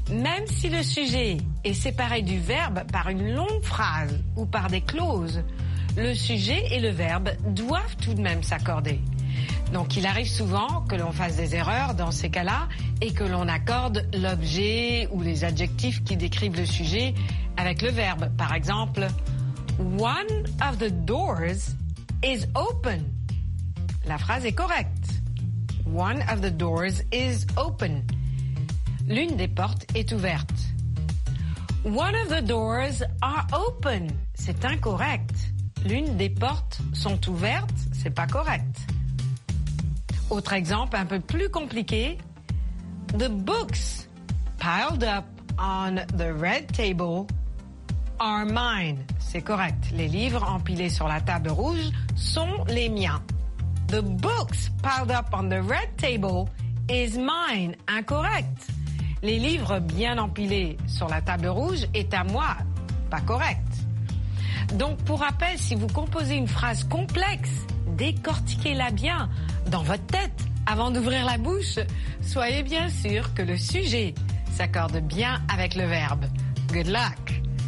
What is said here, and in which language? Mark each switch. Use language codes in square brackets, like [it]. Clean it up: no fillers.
[fr] Même si le sujet est séparé du verbe par une longue phrase ou par des clauses, le sujet et le verbe doivent tout de même s'accorder. Donc il arrive souvent que l'on fasse des erreurs dans ces cas-là et que l'on accorde l'objet ou les adjectifs qui décrivent le sujet avec le verbe. Par exemple, [en] one of the doors is open. [fr] La phrase est correcte. [en] One of the doors is open. [fr] L'une des portes est ouverte. [en] One of the doors are open. [fr] C'est incorrect. L'une des portes sont ouvertes. C'est pas correct. Autre exemple un peu plus compliqué. [en] The books piled up on the red table are mine. [fr] C'est correct. Les livres empilés sur la table rouge sont les miens. [en] The books piled up on the red table is mine. [fr] Incorrect. Les livres bien empilés sur la table rouge est à moi. Pas correct. Donc, pour rappel, si vous composez une phrase complexe, décortiquez-la bien dans votre tête avant d'ouvrir la bouche. Soyez bien sûr que le sujet s'accorde bien avec le verbe. [en] Good luck.